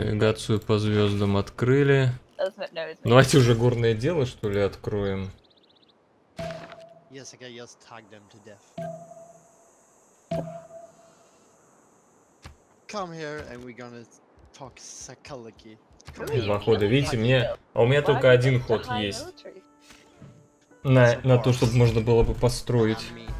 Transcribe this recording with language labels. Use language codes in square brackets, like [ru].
[ru] Навигацию по звездам открыли. [en] No, [ru] давайте уже горное дело, что ли, откроем. [en] Yes, I can just tag them to death. Come here and we're gonna talk psychology. [ru] Два хода, видите, мне. А у меня только один ход есть. На то, чтобы можно было бы построить.